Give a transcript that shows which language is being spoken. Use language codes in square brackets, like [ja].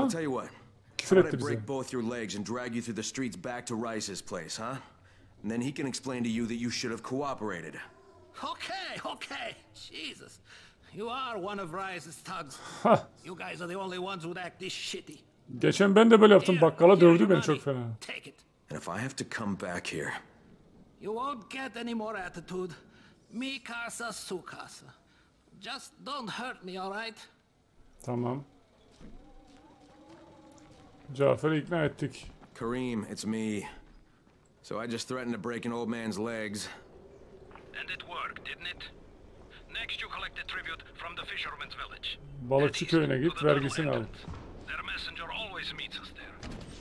[en] I'll tell you what. [tr] Küfür etti bize. [en] Break both your legs and drag you through the streets back to Rice's place, huh? And then he can explain to you that you should have cooperated. Okay, okay. Jesus. You are one of Rice's thugs. You guys are the only ones who act this shitty. [tr] Geçen ben de böyle yaptım, bakkala dövdü beni çok fena. [en] Take it. And if I have to come back here. You won't get any more attitude. [es] Mi casa su casa. [en] Just don't hurt me, all right? [tr] Tamam. Cafer'i ikna ettik. [en] Kareem, it's me. So I just threatened to break an old man's legs. And it worked, didn't it? Next you collect the tribute from the fisherman's village. [tr] Balıkçı köyüne git, vergisini al. [en] Their messenger always meets us there.